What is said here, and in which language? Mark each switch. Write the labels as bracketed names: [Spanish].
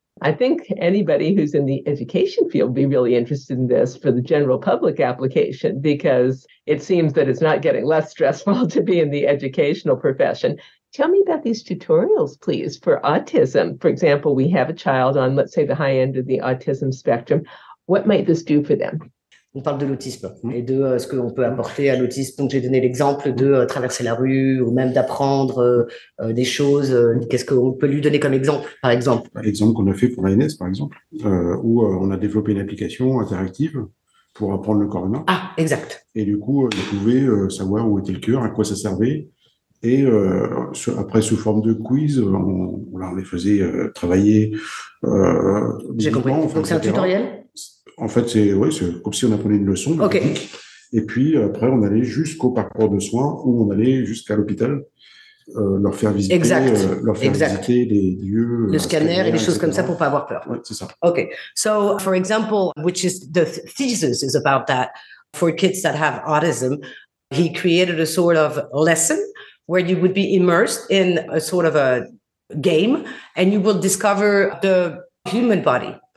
[English] I think anybody who's in the education field would be really interested in this for the general public application, because it seems that it's not getting less stressful to be in the educational profession. Tell me about these tutorials, please, for autism. For example, we have a child on, let's say, the high end of the autism spectrum. What might this do for them? [French] On parle de l'autisme et de ce qu'on peut apporter à l'autisme. Donc, j'ai donné l'exemple de traverser la rue ou même d'apprendre des choses. Qu'est-ce qu'on peut lui donner comme exemple, par exemple? L'exemple qu'on a fait pour l'ANS, par exemple, où on a développé une application interactive pour apprendre le corps humain. Ah, exact. Et du coup, il pouvait savoir où était le cœur, à quoi ça servait. Et après, sous forme de quiz, on les faisait travailler. J'ai compris. Enfin, donc, c'est un tutoriel? En fait, c'est comme si on apprenait une leçon. [English] Okay. [French] Et puis après, on allait jusqu'au parcours de soins où on allait jusqu'à l'hôpital leur faire visiter, exact. Visiter les lieux, le scanner et des choses comme ça pour pas avoir peur. Ouais, c'est ça. [English] Okay. So, for example, which is the thesis is about that for kids that have autism, he created a sort of lesson where you would be immersed in a sort of a game and you will discover the human body.